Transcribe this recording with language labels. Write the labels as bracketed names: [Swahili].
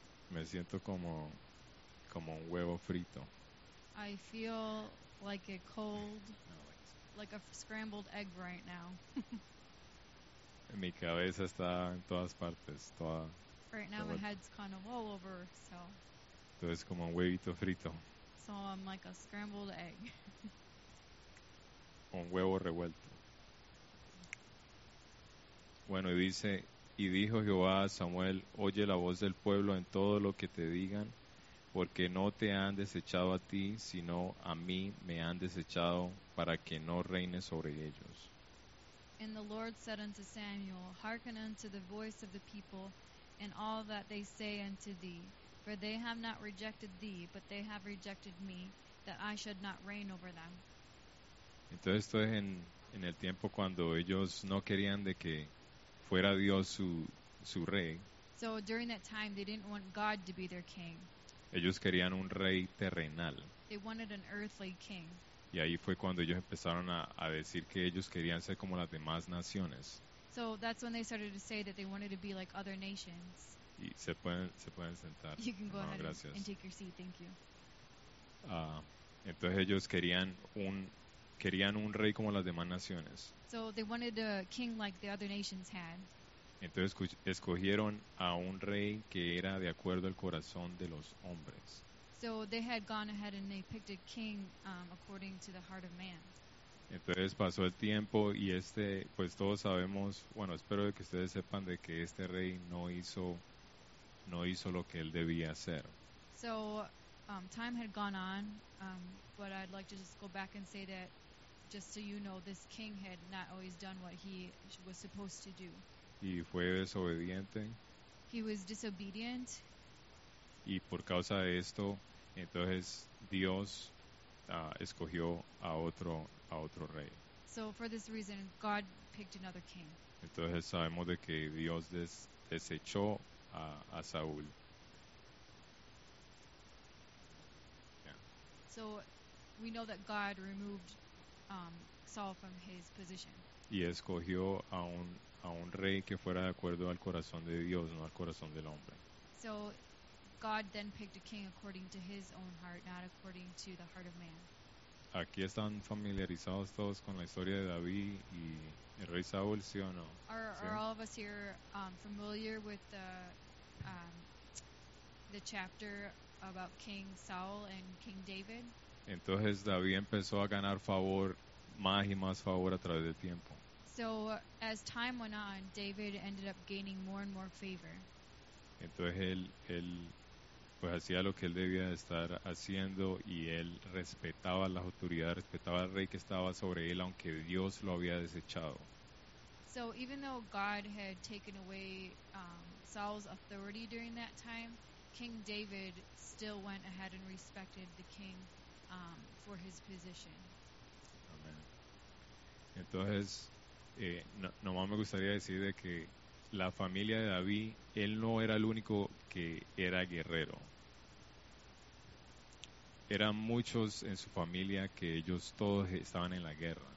[Spanish] Me siento como un huevo frito. [English] I feel like a cold, like a scrambled egg right now. [Spanish] Mi cabeza está en todas partes, toda. [English] Right now my head's kind of all over, so. [Spanish] Entonces como un huevito frito. [English] So I'm like a scrambled egg. [Spanish] Un huevo revuelto. Bueno, y dice, y dijo Jehová a Samuel, oye la voz del pueblo en todo lo que te digan, porque no te han desechado a ti, sino a mí me han desechado para que no reine sobre ellos. [English] And the Lord said unto Samuel, hearken unto the voice of the people, and all that they say unto thee. For they have not rejected thee, but they have rejected me, that I should not reign over them. [Spanish] Entonces esto es en el tiempo cuando ellos no querían de que fuera Dios su rey. [English] So during that time, they didn't want God to be their king. [Spanish] Ellos querían un rey terrenal. [English] They wanted an earthly king. [Spanish] Y ahí fue cuando ellos empezaron a decir que ellos querían ser como las demás naciones. [English] So that's when they started to say that they wanted to be like other nations. [Spanish] Y se pueden sentar. [English] You can go [Spanish] no, [English] ahead [Spanish] gracias. [English] And take your seat. Thank you. [Spanish] Entonces ellos querían un rey como las demás naciones. [English] So they wanted a king like the other nations had. [Spanish] Entonces escogieron a un rey que era de acuerdo al corazón de los hombres. [English] So they had gone ahead and they picked a king according to the heart of man. [Spanish] Entonces pasó el tiempo y pues todos sabemos, bueno, espero que ustedes sepan de que este rey no hizo lo que él debía hacer. [English] So, time had gone on, but I'd like to just go back and say that, just so you know, this king had not always done what he was supposed to do. [Spanish] Y fue desobediente. [English] He was disobedient. [Spanish] Y por causa de esto, entonces Dios escogió a otro rey. [English] So for this reason, God picked another king. [Spanish] Entonces sabemos de que Dios desechó a Saúl. [English] Yeah. So we know that God removed Saul from his position. [Spanish] Y escogió a un rey que fuera de acuerdo al corazón de Dios, no al corazón del hombre. [English] So God then picked a king according to his own heart, not according to the heart of man. [Spanish] Aquí están familiarizados todos con la historia de David y el rey Saúl, ¿sí o no? [English] Are all of us here familiar with the chapter about King Saul and King David? [Spanish] Entonces David empezó a ganar favor, más y más favor a través del tiempo. [English] So as time went on, David ended up gaining more and more favor. [Spanish] Entonces él pues hacía lo que él debía estar haciendo y él respetaba las autoridades, respetaba al rey que estaba sobre él, aunque Dios lo había desechado. [English] So even though God had taken away Saul's authority during that time, King David still went ahead and respected the king for his position. Amen. [Spanish] Entonces, nomás me gustaría decir de que la familia de David, él no era el único que era guerrero. eran muchos en su familia que ellos todos estaban en la guerra.